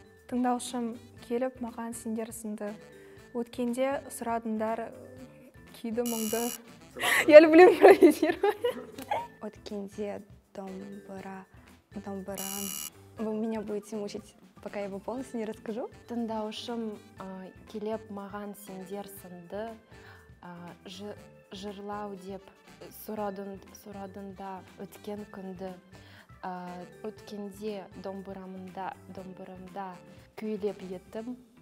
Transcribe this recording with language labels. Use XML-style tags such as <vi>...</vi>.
<kk>Тыңдаушым келіп, маған сендер сынды. Өткенде сұрадындар күйді мұңды.</kk> <ru>Я люблю импровизировать.</ru> <kk>Өткенде домбыра.</kk> <ru>Вы меня будете мучить, пока я его полностью не расскажу.</ru> <kk>Тыңдаушым келіп, маған сендер сынды. Жырлау деп сұрадында өткен күнді. Өткенде домбырамында күйлеп еттім.</kk>